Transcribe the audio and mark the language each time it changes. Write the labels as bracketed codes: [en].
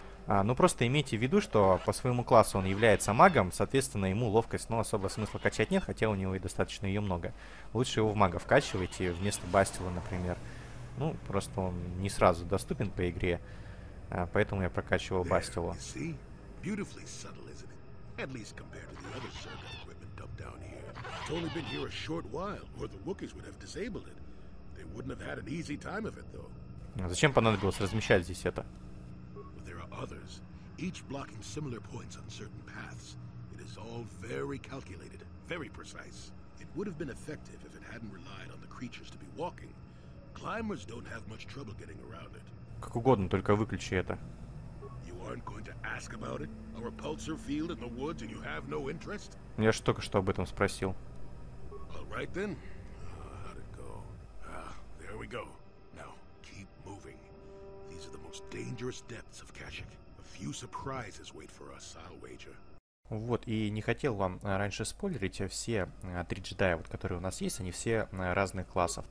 [ru] Ну, просто имейте в виду, что по своему классу он является магом, соответственно, ему ловкость, ну, особо смысла качать нет, хотя у него и достаточно ее много. Лучше его в мага вкачивайте, вместо Бастила, например. Ну, просто он не сразу доступен по игре, поэтому я прокачивал Бастилу. [en] Beautifully subtle, isn't it? At least compared to the other circuit equipment dumped down here. It's only been here a short while, or the Wookiees would have disabled it. They wouldn't have had an easy time of it, though. [ru] Зачем понадобилось размещать здесь это? [en] Others, each blocking similar points on certain paths. It is all very calculated, very precise. It would have been effective if it hadn't relied on the creatures to be walking. Climbers don't have much trouble getting around it. [ru] Как угодно, только выключи это. [en] You aren't going to ask about it? A repulsor field in the woods and you have no interest? [ru] Я же только что об этом спросил. [en] All right then. How'd it go? There we go. Now, keep moving. These are the most dangerous depths of Kashyyyk. A few surprises wait for us, I'll wager. [ru] Вот, и не хотел вам раньше спойлерить, все три джедая, вот, которые у нас есть, они все разных классов.